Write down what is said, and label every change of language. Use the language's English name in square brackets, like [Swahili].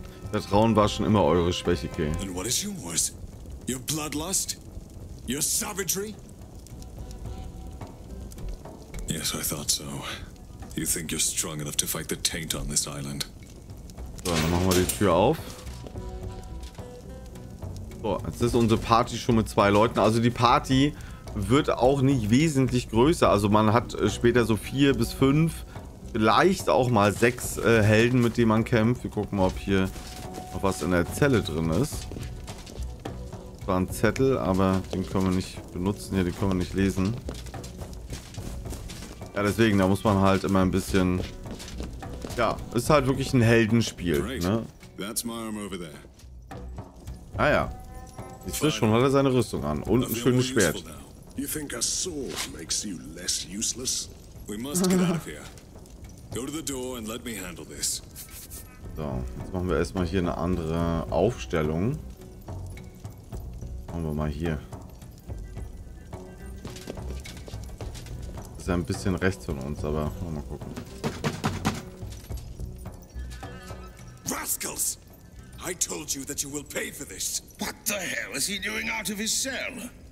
[German] Vertrauen war schon immer eure Schwäche, Kay. [English] And what is yours? Your bloodlust? Your savagery? Yes, I thought so. You think you're strong enough to fight the taint on this island? [German] So, dann machen wir die Tür auf. So, jetzt ist unsere Party schon mit zwei Leuten. Also die Party wird auch nicht wesentlich größer. Also man hat später so 4 bis 5, vielleicht auch mal 6 Helden, mit denen man kämpft. Wir gucken mal, ob hier noch was in der Zelle drin ist. Das war ein Zettel, aber den können wir nicht benutzen. Hier, den können wir nicht lesen. Ja, deswegen, da muss man halt immer ein bisschen... Ja, ist halt wirklich ein Heldenspiel, ne? [English] That's my arm over there. [German] Ah ja. Ich sehe schon, hat er seine Rüstung an. Und ein schönes Schwert. [English] You think a sword makes you less useless? We must get out of here. Go to the door and let me handle this. [German] So, jetzt machen wir erstmal hier eine andere Aufstellung. Machen wir mal hier. Ist ja ein bisschen rechts von uns, aber mal gucken. [English] Rascals! I told you that you will pay for this. What the hell is he doing out of his cell?